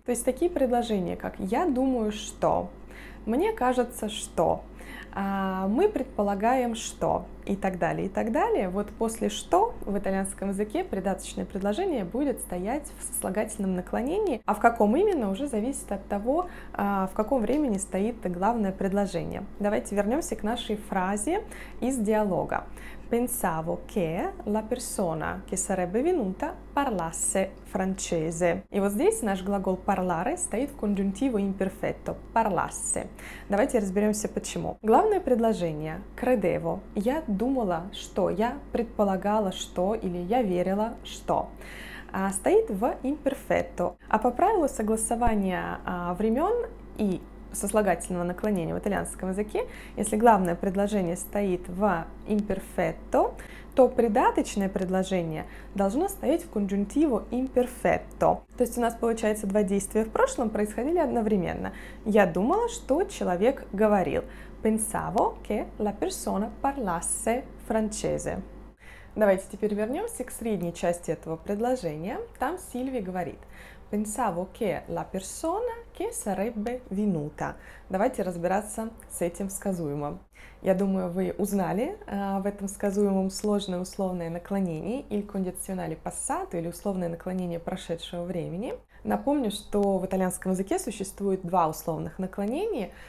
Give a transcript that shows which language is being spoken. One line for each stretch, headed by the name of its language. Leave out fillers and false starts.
Russian: То есть такие предложения, как «я думаю, что», «мне кажется, что», «мы предполагаем, что» и так далее, и так далее. Вот после «что» в итальянском языке придаточное предложение будет стоять в сослагательном наклонении, а в каком именно уже зависит от того, в каком времени стоит главное предложение. Давайте вернемся к нашей фразе из диалога.
Italian: Pensavo che la persona che sarebbe venuta parlasse francese.
Russian: И вот здесь наш глагол parlare стоит в конъюнктиво имперфетто.
Italian: Parlasse.
Russian: Давайте разберемся почему. Главное предложение. Credevo. Я думала, что. Я предполагала, что. Или я верила, что. Стоит в имперфетто. А по правилу согласования времен и сослагательного наклонения в итальянском языке, если главное предложение стоит в имперфетто, то придаточное предложение должно стоять в конъюнктиво имперфетто. То есть у нас получается два действия в прошлом происходили одновременно. Я думала, что человек говорил.
Italian: Pensavo che la persona parlasse francese.
Russian: Давайте теперь вернемся к средней части этого предложения. Там Сильви говорит.
Italian: Pensavo che la persona che sarebbe venuta.
Russian: Давайте разбираться с этим сказуемым. Я думаю, вы узнали в этом сказуемом сложное условное наклонение или кондиционале passato, или условное наклонение прошедшего времени. Напомню, что в итальянском языке существует два условных наклонения.